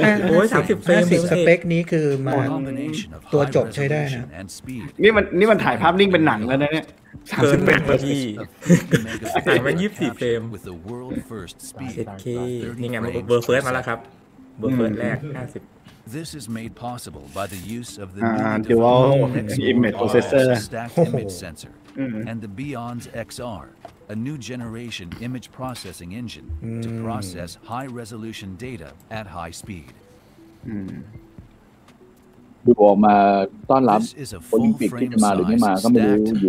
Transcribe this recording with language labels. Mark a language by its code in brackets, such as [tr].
[th] โอ้ย30เฟรม สเปคนี้คือมาตัวจบใช้ได้นะ นี่มันถ่ายภาพนิ่งเป็นหนังแล้วนะเนี่ย เกินเฟรมพี่ถ่ายมา24เฟรม 8K นี่ไงมันเบอร์เฟิร์สมาแล้วครับเบอร์เฟิร์สแรก50 [en] This is made possible by the use of the dual image processor sensor and the Beyond XR, a new generation image processing engine to process high resolution data at high speed. [th] ดูออกมาต้อนรับโอลิมปิกที่มาหรือไม่มาก็ไม่รู้อยู